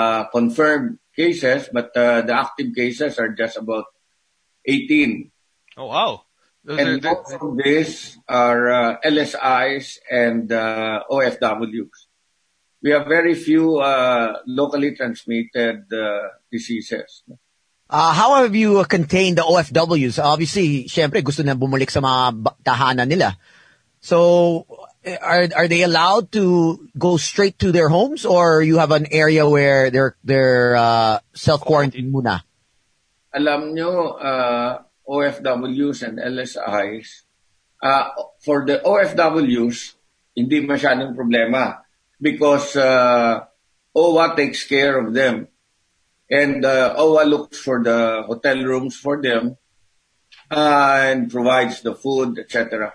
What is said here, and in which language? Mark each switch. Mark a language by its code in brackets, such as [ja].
[en] Confirmed cases, but the active cases are just about 18. Oh, wow. Those and all of these are LSIs and OFWs. We have very few locally transmitted diseases. How have you contained the OFWs? [tl] Obviously, syempre, gusto na bumalik sa mga tahanan nila. [en] So, are they allowed to go straight to their homes, or you have an area where they're self-quarantined muna? [tl] Alam nyo, [en] OFWs and LSIs, for the OFWs, [tl] hindi masyadong problema [en] because OWA takes care of them and OWA looks for the hotel rooms for them and provides the food, etc.